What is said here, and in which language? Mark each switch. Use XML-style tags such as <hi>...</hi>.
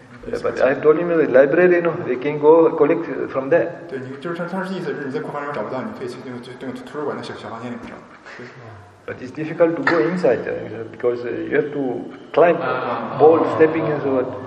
<en>Yeah, but I told him in the library, you know, they can go collect from there.</en> <zh>对，你就是他的意思是你在库房里面找不到，你可以去那个图书馆的小房间里面找。</zh> <en>But it's difficult to go inside because you have to climb ball, stepping and so on.</en>